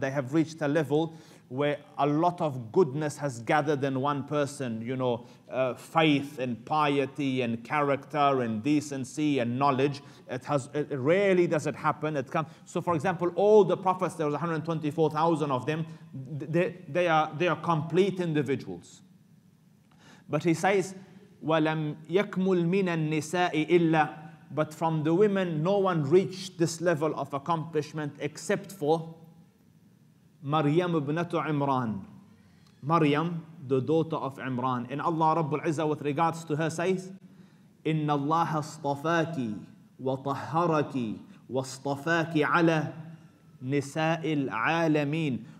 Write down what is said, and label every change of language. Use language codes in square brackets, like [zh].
[en] They have reached a level where a lot of goodness has gathered in one person, you know, faith and piety and character and decency and knowledge. It rarely does it happen. So for example, all the prophets, there was 124,000 of them, they are complete individuals. But he says, [ar] وَلَمْ يَكْمُلْ مِنَ النِّسَاءِ إِلَّا. [en] But from the women, no one reached this level of accomplishment except for Maryam ibn Imran. Maryam, the daughter of Imran. And Allah Rabbul Izzah with regards to her says, [ar] إِنَّ اللَّهَ اصْطَفَاكِ وَطَهَّرَكِ وَاصْطَفَاكِ عَلَى نِسَاءِ الْعَالَمِينَ.